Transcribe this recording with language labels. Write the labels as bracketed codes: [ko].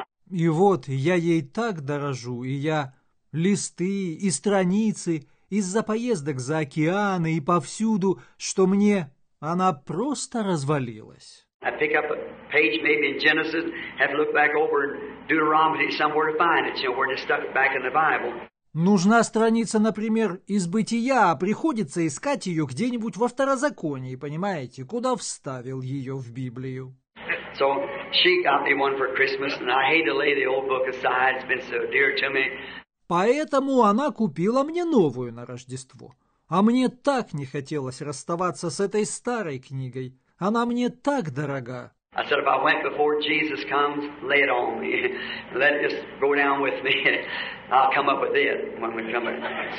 [ru] И вот я ей так дорожу, и я листы и страницы из-за поездок за океаны и повсюду, что мне она просто развалилась. [en] I pick up a page maybe in Genesis, have to look back over in Deuteronomy somewhere to find it, you know, where it's stuck back in the Bible. [ru] Нужна страница, например, из Бытия, а приходится искать ее где-нибудь во Второзаконии, понимаете, куда вставил ее в Библию. [en] So she got me one for Christmas, and I hate to lay the old book aside, it's been so dear to me. [ru] Поэтому она купила мне новую на Рождество. А мне так не хотелось расставаться с этой старой книгой. Она мне так дорога. [en] I said, if I went before Jesus comes, lay it on me. Let it just go down with me. I'll come up with it when we come back.